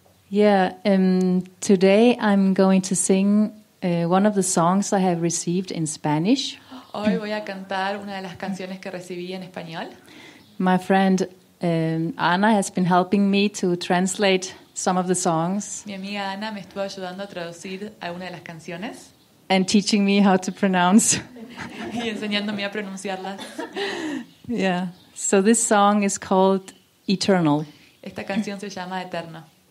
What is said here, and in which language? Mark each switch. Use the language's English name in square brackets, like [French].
[English] Yeah, today I'm going to sing one of the songs I have received in Spanish. [Spanish] Hoy voy a cantar una de las canciones que recibí en español. [English] My friend Ana has been helping me to translate some of the songs. [Spanish] Mi amiga Ana me estuvo ayudando a traducir alguna de las canciones. [English] And teaching me how to pronounce. [Spanish] Y enseñándome a pronunciarlas. [English] Yeah. So this song is called Eternal. [Spanish] Esta canción se llama Eterno.